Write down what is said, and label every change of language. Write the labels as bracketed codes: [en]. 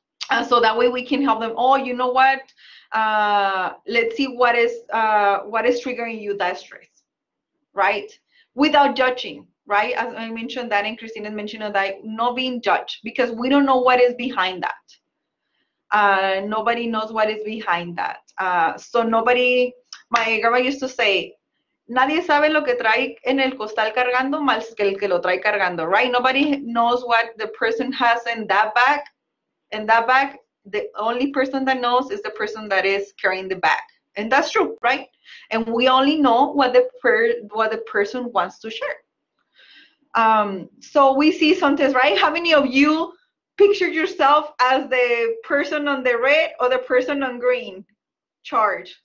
[en] And so that way we can help them. Oh, you know what? Let's see what is triggering you that stress, right? Without judging, right? As I mentioned that, and Christina mentioned that, not being judged, because we don't know what is behind that. Nobody knows what is behind that. My grandma used to say, [es] nadie sabe lo que trae en el costal cargando más que el que lo trae cargando, [en] right? Nobody knows what the person has in that bag. In that bag, the only person that knows is the person that is carrying the bag. And that's true, right? And we only know what the person wants to share. So we see sometimes, right? How many of you pictured yourself as the person on the red or the person on green charge?